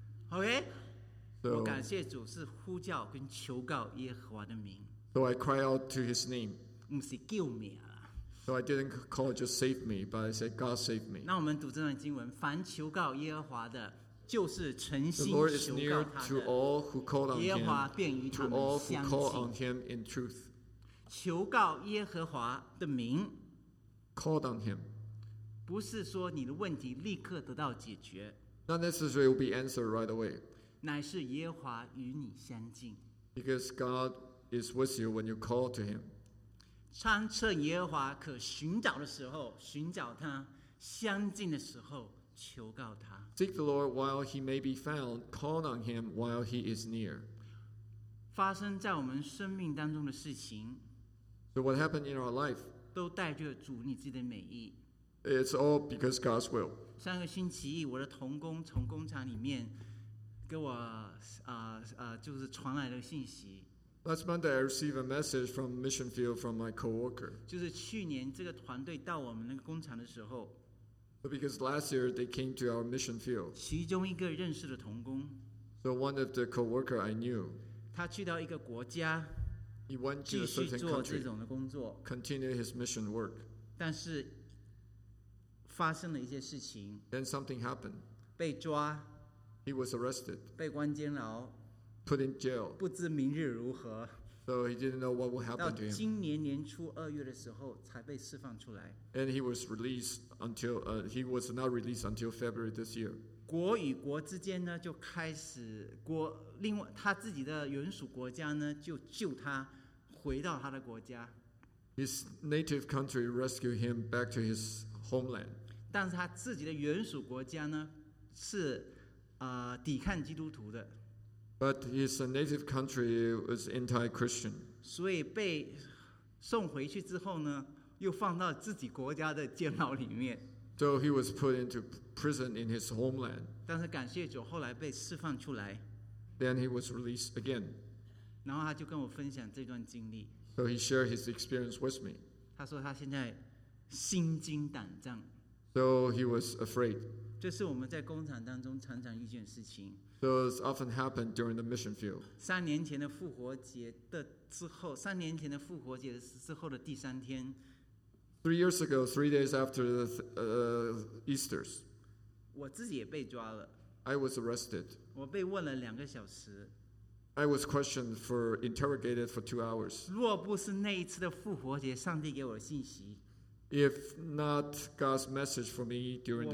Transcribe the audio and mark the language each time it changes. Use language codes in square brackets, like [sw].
[en] Okay. So, [zh] 我感谢主是呼叫跟求告耶和华的名。 [en] So I cry out to His name. [zh] 不是救命啊。 [en] So I didn't call just save me, but I said God save me. [zh] 那我们读这段经文，凡求告耶和华的，就是诚心求告他的。 [en] The Lord is near to all who call on Him. [zh] 耶和华便与他们相近。 [en] To all who call on Him in truth. [zh] 求告耶和华的名。 [en] Called on Him. [zh] 不是说你的问题立刻得到解决。 [en] Not necessarily will be answered right away. [zh] 乃是耶和华与你相近。 [en] Because God is with you when you call to Him. [zh] 当趁耶和华可寻找的时候，寻找他；相近的时候，求告他。 [en] Seek the Lord while he may be found. Call on him while he is near. [zh] 发生在我们生命当中的事情 [en] ，So what happened in our life? [zh] 都带着主你自己的美意。 [en] It's all because God's will. [zh] 上个星期一，我的同工从工厂里面给我就是传来的信息。 [en] Last Monday, I received a message from Mission Field from my coworker. [zh] 就是去年这个团队到我们那个工厂的时候。 [en] Because last year they came to our Mission Field. [zh] 其中一个认识的同工。 [en] So one of the coworker I knew. [zh] 他去到一个国家。 [en] He went to a certain country. [zh] 继续做这种的工作。 [en] Continue his mission work. [zh] 但是发生了一些事情。 [en] Then something happened. [zh] 被抓。 [en] He was arrested. [zh] 被关监牢。 [en] Put in jail. [zh] 不知明日如何。 [en] So he didn't know what would happen to him. [zh] 到今年年初二月的时候才被释放出来。 [en] And he was released until, he was not released until February this year. [zh] 国与国之间呢就开始国另外他自己的原属国家呢就救他回到他的国家。 [en] His native country rescued him back to his homeland. [zh] 但是他自己的原属国家呢是抵抗基督徒的。 [en] But his native country was anti-Christian. [zh] 所以被送回去之后呢，又放到自己国家的监牢里面。 [en] So he was put into prison in his homeland. [zh] 但是感谢主，后来被释放出来。 [en] Then he was released again. [zh] 然后他就跟我分享这段经历。 [en] So he shared his experience with me. [zh] 他说他现在心惊胆战。 [en] So he was afraid. [zh] 这是我们在工厂当中常常遇见的事情。 [en] Those often happen during the mission field. [zh] 三年前的复活节的之后，三年前的复活节之后的第三天。 [en] Three years ago, three days after the Easter's. [zh] 我自己也被抓了。 [en] I was arrested. [zh] 我被问了两个小时。 [en] I was questioned for interrogated for 2 hours. [zh] 若不是那一次的复活节，上帝给我的信息。 [en] If not God's message for me during the Easter,